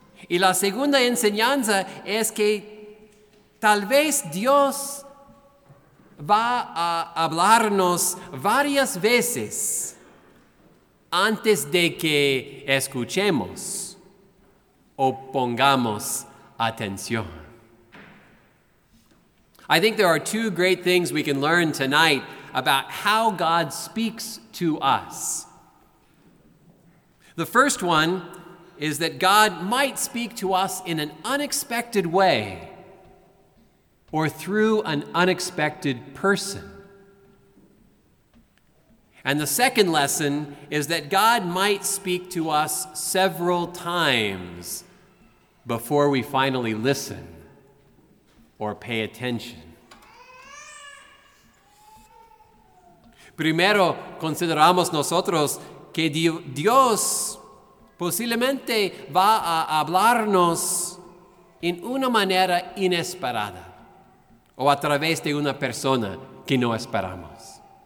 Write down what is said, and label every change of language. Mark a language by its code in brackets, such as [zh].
[es] Y la segunda enseñanza es que tal vez Dios va a hablarnos varias veces antes de que escuchemos o pongamos atención. [en] I think there are two great things we can learn tonight about how God speaks to us. The first one is that God might speak to us in an unexpected way or through an unexpected person. And the second lesson is that God might speak to us several times before we finally listen or pay attention. [es] Primero, consideramos nosotros que Dios posiblemente va a hablarnos en una manera inesperada o a través de una persona que no esperamos.